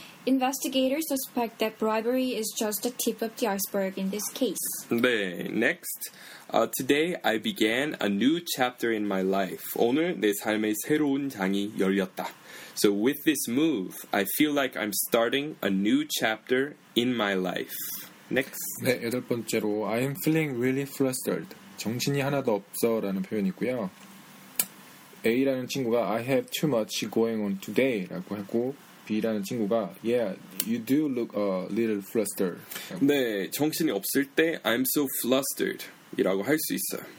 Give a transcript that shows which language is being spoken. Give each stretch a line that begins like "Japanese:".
English: Investigators suspect that bribery is just the tip of the iceberg in this case. 네, next. Today I began a new chapter in my life.
Korean: 오늘 내 삶의 새로운 장이 열렸다.
English: So with this move, I feel like I'm starting a new chapter in my life. Next.
Korean: 네, 여덟 번째로
English: I am feeling really flustered.
Korean: 정신이 하나도 없어라는 표현이고요. A라는 친구가
English: I have too much going on today
Korean: 라고 하고 B라는 친구가
English: Yeah, you do look a little flustered.
Korean: 네, 정신이 없을 때
English: I'm so flustered
Korean: 이라고 할 수 있어요.